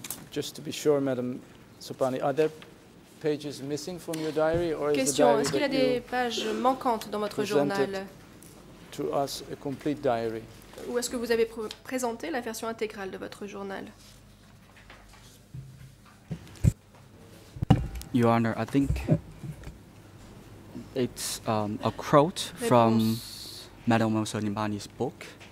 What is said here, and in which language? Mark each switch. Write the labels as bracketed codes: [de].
[en] Just to be sure, Madame Sopani, are there pages missing from your diary, or question, is the diary [fr] est-ce qu'il y a des pages manquantes dans votre journal? [en] To us, a complete diary. [fr] Ou est-ce que vous avez présenté la version intégrale de votre journal? [en] Your Honor, I think it's a quote from Madame Sopani's book.